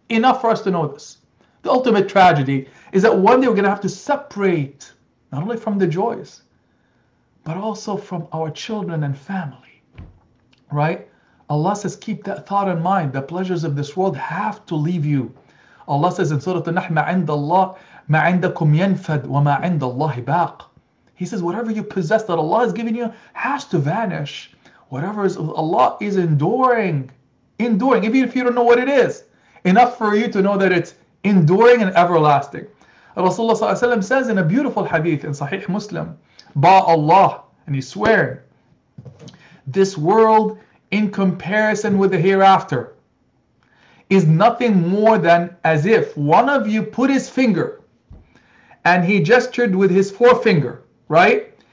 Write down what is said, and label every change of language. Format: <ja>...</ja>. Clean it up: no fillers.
<en>Enough for us to know this. The ultimate tragedy is that one day we're going to have to separate not only from the joys, but also from our children and family. Right? Allah says, keep that thought in mind. The pleasures of this world have to leave you. Allah says in Surah An-Nahl,</en> <ar>مَا عِنْدَكُمْ يَنْفَدْ وَمَا عِنْدَ اللَّهِ بَاقٍ.</ar> <en>He says, whatever you possess that Allah has given you has to vanish. Whatever is Allah is enduring. Enduring, even if you don't know what it is. Enough for you to know that it's enduring and everlasting. Rasulullah Sallallahu Alaihi Wasallam says in a beautiful hadith in Sahih Muslim, Ba Allah, and he swears, this world in comparison with the hereafter is nothing more than as if one of you put his finger and he gestured with his forefinger, right?</en>